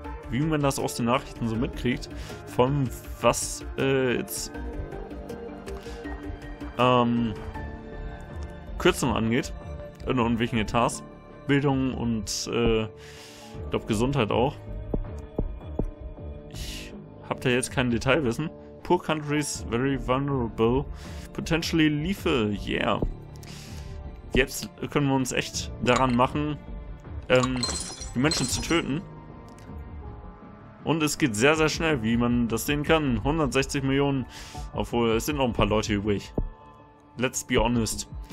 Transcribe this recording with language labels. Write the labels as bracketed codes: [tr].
[de] Wie man das aus den Nachrichten so mitkriegt. Vor allem, was jetzt Kürzungen angeht. In welchen Etats. Bildung und ich glaube Gesundheit auch. Habt ihr jetzt kein Detailwissen? [en] Poor countries, very vulnerable. Potentially lethal, yeah. [de] Jetzt können wir uns echt daran machen, die Menschen zu töten. Und es geht sehr, sehr schnell, wie man das sehen kann. 160 Millionen, obwohl es sind noch ein paar Leute übrig. [en] Let's be honest.